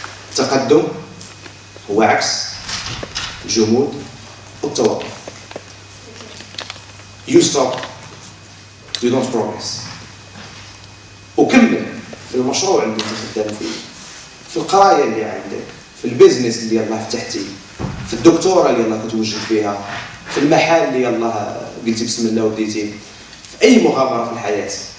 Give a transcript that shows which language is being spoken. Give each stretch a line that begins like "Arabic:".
Arabic: التقدم هو عكس الجمود والتوقف.
English: You stop, you don't progress.
Arabic: وكمل في المشروع اللي انت خدام فيه، في القرايه اللي عندك، في البيزنس اللي يلاه فتحتي، في الدكتوره اللي يلاه كتوجد فيها، في المحل اللي يلاه قلتي بسم الله وبديتي، في اي مغامره في الحياه.